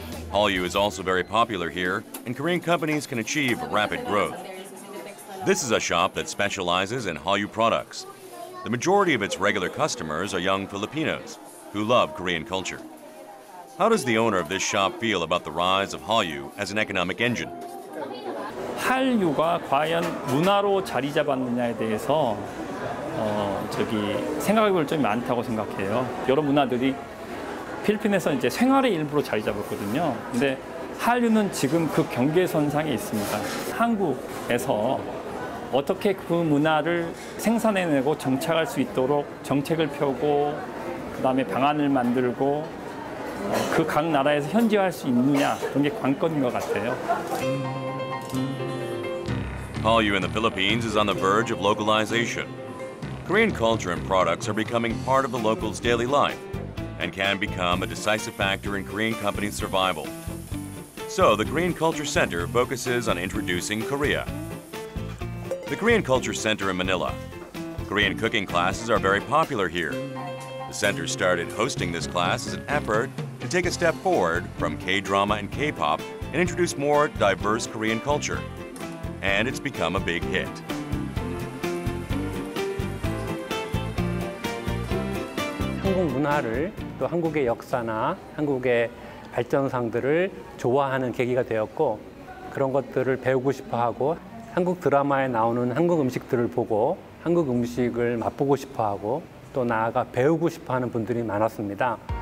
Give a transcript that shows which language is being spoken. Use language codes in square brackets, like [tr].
[en] Hallyu is also very popular here, and Korean companies can achieve rapid growth. This is a shop that specializes in Hallyu products. The majority of its regular customers are young Filipinos who love Korean culture. How does the owner of this shop feel about the rise of Hallyu as an economic engine? [ko] Hallyu가 과연 문화로 자리 잡았느냐에 대해서 생각해볼점이많다고생각해요여러문화들이필리핀에서이제생활의일부로자리잡았거든요근데한류는지금그경계선상에있습니다한국에서 어떻게 그 문화를 생산해내고 정착할 수 있도록 정책을 펴고 그 다음에 방안을 만들고 그 각 나라에서 현지화할 수 있느냐 그런 게 관건인 것 같아요. [en] Paul Yu in the Philippines is on the verge of localization. Korean culture and products are becoming part of the locals' daily life and can become a decisive factor in Korean companies' survival. So the Korean Culture Center focuses on introducing Korea. The Korean Culture Center in Manila. Korean cooking classes are very popular here. The center started hosting this class as an effort to take a step forward from K-drama and K-pop and introduce more diverse Korean culture. And it's become a big hit. Korean culture, and Korean history, and Korean development, [ko] 좋아하는 계기가 되었고 그런 것들을 배우고 싶어하고 한국 드라마에 나오는 한국 음식들을 보고 한국 음식을 맛보고 싶어하고 또 나아가 배우고 싶어하는 분들이 많았습니다.